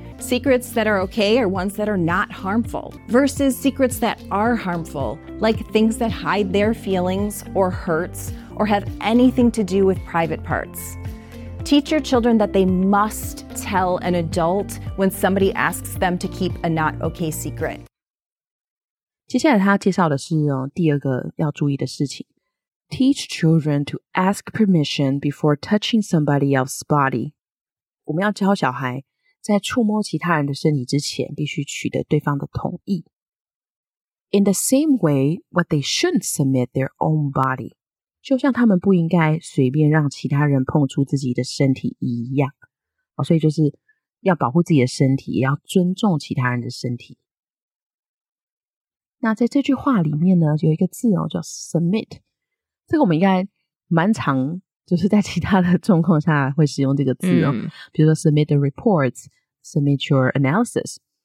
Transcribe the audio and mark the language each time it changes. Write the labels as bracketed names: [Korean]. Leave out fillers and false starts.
[English] Secrets that are okay are ones that are not harmful, versus secrets that are harmful, like things that hide their feelings or hurts or have anything to do with private parts. Teach your children that they must tell an adult when somebody asks them to keep a not okay secret. [Chinese] 接下来他介绍的是第二个要注意的事情。 [English] Teach children to ask permission before touching somebody else's body. [Chinese] 我们要教小孩在触摸其他人的身体之前必须取得对方的同意。 [English] In the same way, what they shouldn't submit their own body. [Chinese] 就像他们不应该随便让其他人碰触自己的身体一样。所以就是要保护自己的身体，也要尊重其他人的身体。那在这句话里面呢，有一个字叫 submit。这个我们应该蛮常就是在其他的状况下会使用这个字比如说 [English] submit the reports, submit your analysis。